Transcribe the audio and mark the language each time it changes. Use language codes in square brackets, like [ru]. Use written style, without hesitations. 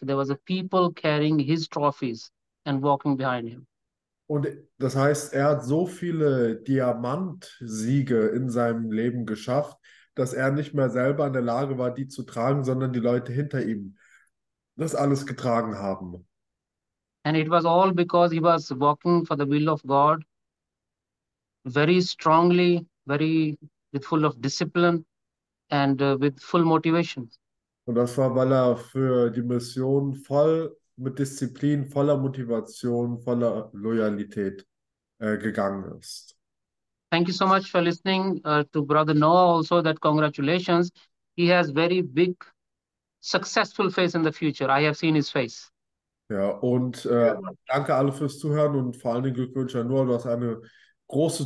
[en] There was a people carrying his trophies and walking behind him. [de] Und das heißt, er hat so viele Diamantsiege in seinem Leben geschafft, dass er nicht mehr selber in der Lage war, die zu tragen, sondern die Leute hinter ihm das alles getragen haben. [en] And it was all because he was working for the will of God. Very strongly, very with full of discipline and with full motivation. [de] Und das war, weil er für die Mission voll mit Disziplin, voller Motivation, voller Loyalität gegangen ist. [en] Thank you so much for listening to Brother Noah also that congratulations. He has very big successful face in the future. I have seen his face. [de] Ja, und [en] Thank you. [de] danke alle fürs Zuhören und vor allen Dingen Glückwünsche an Noah, du hast eine große